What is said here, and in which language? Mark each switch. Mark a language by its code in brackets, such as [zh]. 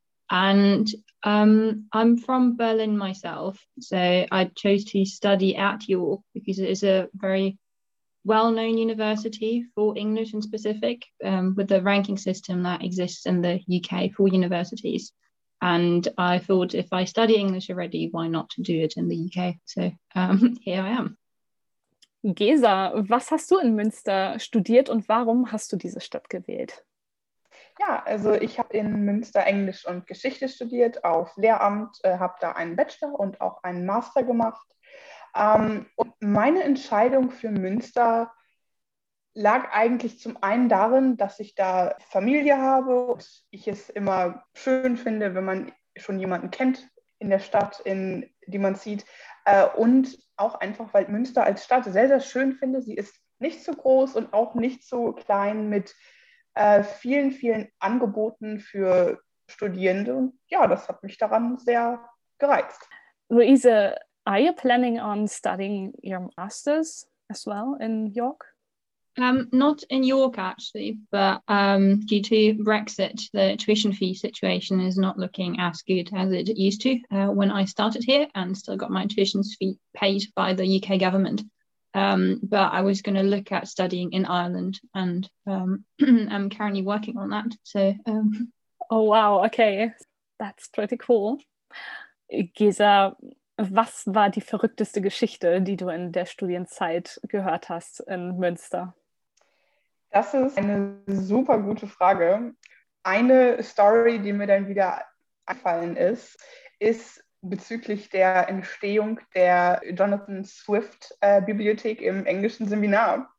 [en] And I'm from Berlin myself, so I chose to study at York because it is a very well-known university for English in specific, with the ranking system that exists in the UK for universities. And I thought if I study English already, why not do it in the UK? So here I am. [de] Gesa, was hast du in Münster studiert und warum hast du diese Stadt gewählt? Ja, also ich habe in Münster Englisch und Geschichte studiert auf Lehramt, habe da einen Bachelor und auch einen Master gemacht. Und meine Entscheidung für Münster lag eigentlich zum einen darin, dass ich da Familie habe und ich es immer schön finde, wenn man schon jemanden kennt in der Stadt, in die man zieht. Und auch einfach, weil Münster als Stadt sehr, sehr schön finde. Sie ist nicht so groß und auch nicht so klein mit vielen, vielen Angeboten für Studierende. Und ja, das hat mich daran sehr gereizt. [en] Luise, are you planning on studying your master's as well in York? Not in York, actually, but due to Brexit, the tuition fee situation is not looking as good as it used to when I started here and still got my tuition fee paid by the UK government. But I was going to look at studying in Ireland and I'm currently working on that. So, Oh, wow. Okay. That's pretty cool. [de] Gesa, was war die verrückteste Geschichte, die du in der Studienzeit gehört hast in Münster? Das ist eine super gute Frage. Eine Story, die mir dann wieder eingefallen ist, ist bezüglich der Entstehung der Jonathan Swift Bibliothek im englischen Seminar.